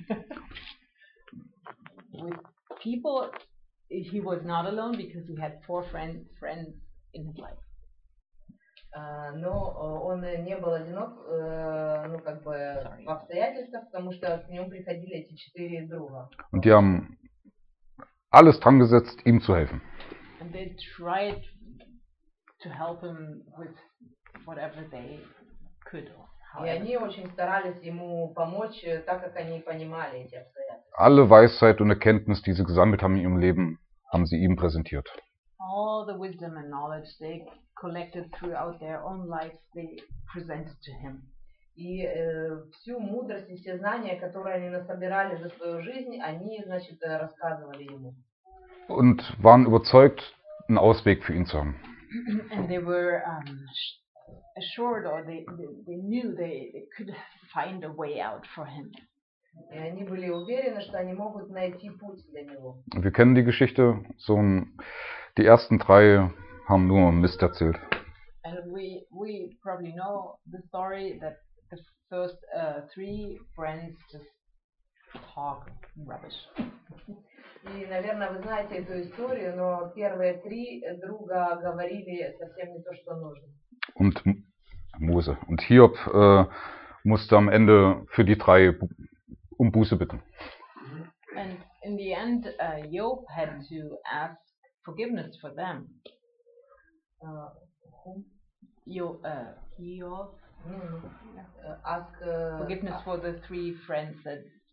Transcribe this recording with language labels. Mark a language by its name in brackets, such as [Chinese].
[English] With people, he was not alone because he had four friends in his life. [Russian] Но он не был одинок, ну как бы в обстоятельствах, потому что к нему приходили эти четыре друга. [German] Und die haben alles dran gesetzt, ihm zu helfen. [English] And they tried to help him with whatever they could. [Russian] И они очень старались ему помочь, так как они понимали эти обстоятельства. [German] Alle Weisheit und Erkenntnis, die sie gesammelt haben in ihrem Leben, haben sie ihm präsentiert. [English] All the wisdom and knowledge they collected throughout their own life, they presented to him. [Russian] И всю мудрость и все знания, которые они насобирали за свою жизнь, они, значит, рассказывали ему. [German] Und waren überzeugt, einen Ausweg für ihn zu haben. [English] And they were assured, or they knew they could find a way out for him. [Russian] И они были уверены, что они могут найти путь для него. [German] Wir kennen die Geschichte. So die ersten drei haben nur Mist erzählt. [English] And we probably know the story that the first three friends just talk rubbish. [Russian] И, наверное, вы знаете эту историю, но первые три друга говорили совсем не то, что нужно. [German] Und Mose. Und Hiob musste am Ende für die drei um Buße bitten. [English] And in the end, Job had to ask forgiveness for them. Ask forgiveness for the three friends that